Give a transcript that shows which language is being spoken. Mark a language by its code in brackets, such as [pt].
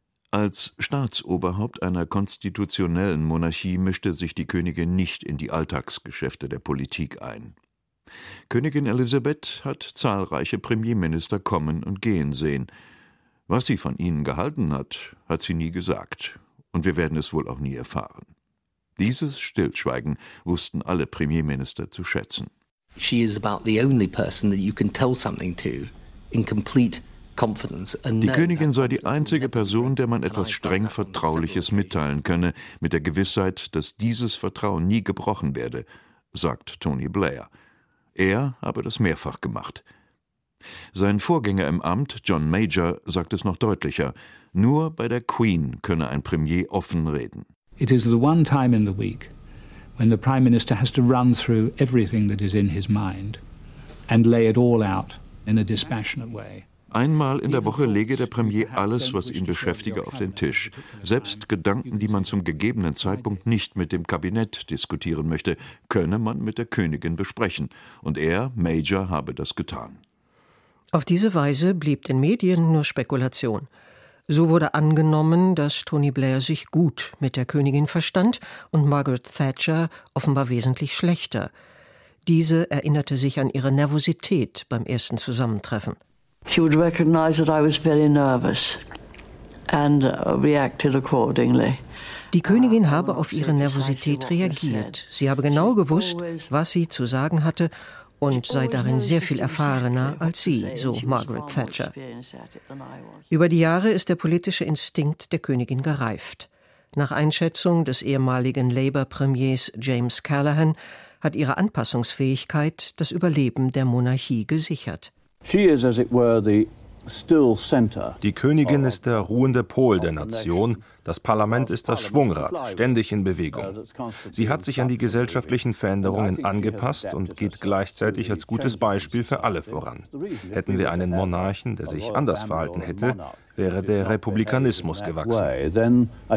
[de] Als Staatsoberhaupt einer konstitutionellen Monarchie mischte sich die Königin nicht in die Alltagsgeschäfte der Politik ein. Königin Elisabeth hat zahlreiche Premierminister kommen und gehen sehen. Was sie von ihnen gehalten hat, hat sie nie gesagt. Und wir werden es wohl auch nie erfahren. Dieses Stillschweigen wussten alle Premierminister zu schätzen. [en] She is about the only person that you can tell something to in complete confidence. [de] Die Königin sei die einzige Person, der man etwas streng Vertrauliches mitteilen könne, mit der Gewissheit, dass dieses Vertrauen nie gebrochen werde, sagt Tony Blair. Er habe das mehrfach gemacht. Sein Vorgänger im Amt, John Major, sagt es noch deutlicher. Nur bei der Queen könne ein Premier offen reden. [en] It is the one time in the week when the Prime Minister has to run through everything that is in his mind and lay it all out in a dispassionate way. [de] Einmal in der Woche lege der Premier alles, was ihn beschäftige, auf den Tisch. Selbst Gedanken, die man zum gegebenen Zeitpunkt nicht mit dem Kabinett diskutieren möchte, könne man mit der Königin besprechen. Und er, Major, habe das getan. Auf diese Weise blieb den Medien nur Spekulation. So wurde angenommen, dass Tony Blair sich gut mit der Königin verstand und Margaret Thatcher offenbar wesentlich schlechter. Diese erinnerte sich an ihre Nervosität beim ersten Zusammentreffen. [en] She would recognize that I was very nervous and reacted accordingly. [de] Die Königin habe auf ihre Nervosität reagiert. Sie habe genau gewusst, was sie zu sagen hatte und sei darin sehr viel erfahrener als sie, so Margaret Thatcher. Über die Jahre ist der politische Instinkt der Königin gereift. Nach Einschätzung des ehemaligen Labour-Premiers James Callaghan hat ihre Anpassungsfähigkeit das Überleben der Monarchie gesichert. Sie ist, [en] as it were, the still center. [de] Die Königin ist der ruhende Pol der Nation. Das Parlament ist das Schwungrad, ständig in Bewegung. Sie hat sich an die gesellschaftlichen Veränderungen angepasst und geht gleichzeitig als gutes Beispiel für alle voran. Hätten wir einen Monarchen, der sich anders verhalten hätte, wäre der Republikanismus gewachsen.